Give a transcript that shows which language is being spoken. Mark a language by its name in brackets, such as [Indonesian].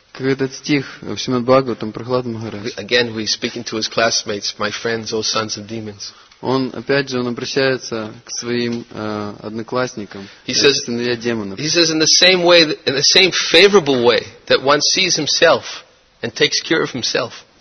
[Russian] Какой-то стих в Шримад Бхагаватам, Прахлад Махарадж. [English] Again, we speaking to his classmates, my friends, O sons of demons. [Russian] Он опять же, он обращается к своим одноклассникам. [English] He says, [Russian] сыновья демонов. [English] He says in the same way, in the same favorable way that one sees himself and takes care of himself.